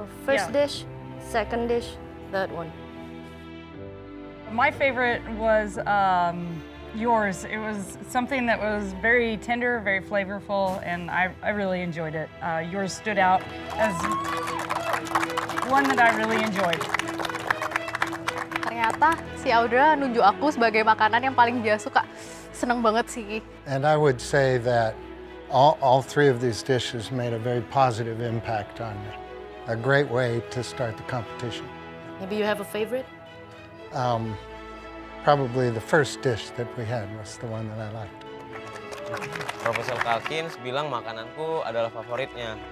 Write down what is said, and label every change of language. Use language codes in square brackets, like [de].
[en] First dish, second dish, third one. My favorite was yours. It was something that was very tender, very flavorful, and I really enjoyed it. Yours stood out as one that I really enjoyed. [id] Ternyata si Audra nunjuk aku sebagai makanan yang paling dia suka. Seneng banget sih. [en] And I would say that all three of these dishes made a very positive impact on me. A great way to start the competition. Maybe you have a favorite? Probably the first dish that we had was the one that I liked. [id] Professor Calkins bilang makananku adalah favoritnya.